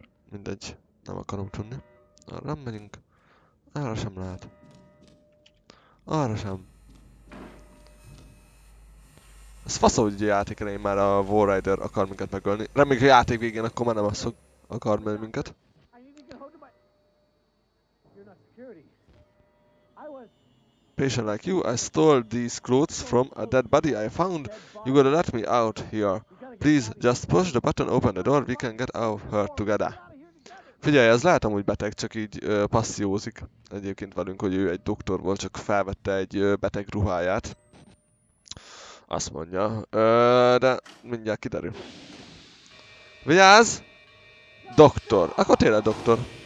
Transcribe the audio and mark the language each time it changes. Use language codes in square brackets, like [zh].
[hu] Mindegy, nem akarom tudni. Arra nem megyünk. Arra sem lehet. Arra sem. Ez fasza, hogy a játék elején már a War Rider akar minket megölni. Reméljük, hogy a játék végén akkor már nem azt akar megölni minket. [en] Patient like you, I stole these clothes from a dead body I found. You gotta let me out here. Please, just push the button, open the door, we can get out here together. [hu] Figyelj, ez lehet amúgy beteg, csak így passziózik. Egyébként velünk, hogy ő egy doktor volt, csak felvette egy beteg ruháját. Azt mondja. De mindjárt kiderül. Vigyázz! Doktor. Akkor tényleg doktor.